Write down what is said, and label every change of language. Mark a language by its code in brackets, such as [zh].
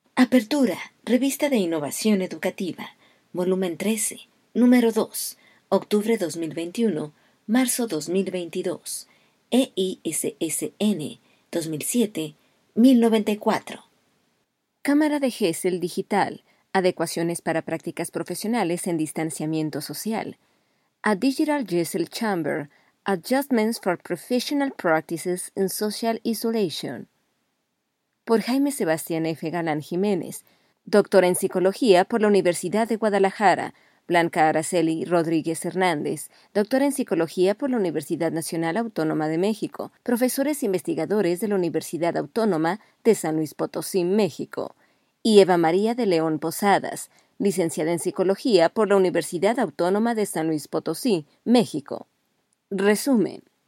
[es] Apertura, Revista de Innovación Educativa, volumen 13, número 2, octubre 2021, marzo 2022, EISSN 2007-1094. Cámara de Gesell Digital, adecuaciones para prácticas profesionales en distanciamiento social. [en] A Digital Gesell Chamber, Adjustments for Professional Practices in Social Isolation. [es] Por Jaime Sebastián F. Galán Jiménez, doctora en psicología por la Universidad de Guadalajara, Blanca Araceli Rodríguez Hernández, doctora en psicología por la Universidad Nacional Autónoma de México, profesores e investigadores de la Universidad Autónoma de San Luis Potosí, México, y Eva María de León Posadas, licenciada en psicología por la Universidad Autónoma de San Luis Potosí, México. Resumen.